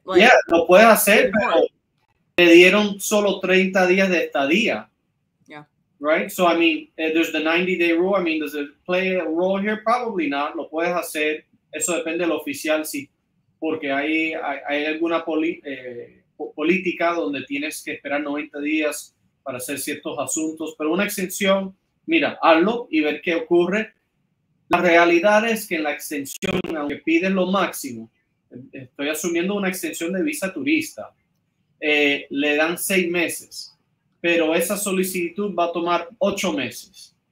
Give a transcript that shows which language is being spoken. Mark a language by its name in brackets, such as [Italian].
[Spanish] Lo puedes hacer, pero me dieron solo 30 días de estadía. [English] Right? So, I mean, there's the 90-day rule. I mean, does it play a role here? Probably not. [Spanish] Lo puedes hacer. Eso depende del oficial, sí. Porque hay alguna política donde tienes que esperar 90 días para hacer ciertos asuntos. Pero una extensión, mira, hazlo y ver qué ocurre. La realidad es que en la extensión, aunque piden lo máximo, estoy asumiendo una extensión de visa turista, le dan 6 meses, pero esa solicitud va a tomar 8 meses.